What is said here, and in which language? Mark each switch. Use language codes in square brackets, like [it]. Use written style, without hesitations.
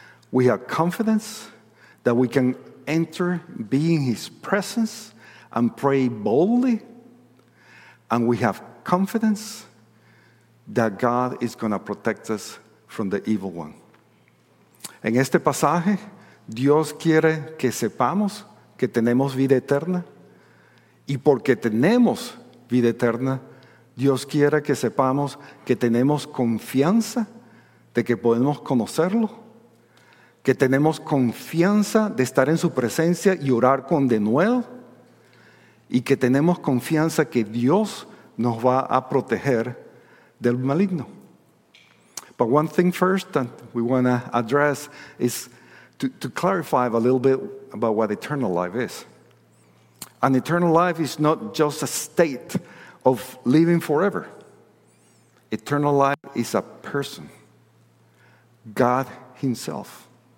[en] We have confidence that we can enter, be in His presence, and pray boldly. And we have confidence that God is going to protect us from the evil one. [es] En este pasaje, Dios quiere que sepamos que tenemos vida eterna. Y porque tenemos vida eterna, Dios quiere que sepamos que tenemos confianza de que podemos conocerlo, que tenemos confianza de estar en su presencia y orar con denuedo, y que tenemos confianza que Dios nos va a proteger del maligno. [en] But one thing first that we want to address is to clarify a little bit about what eternal life is. An eternal life is not just a state of living forever. Eternal life is a person, God Himself.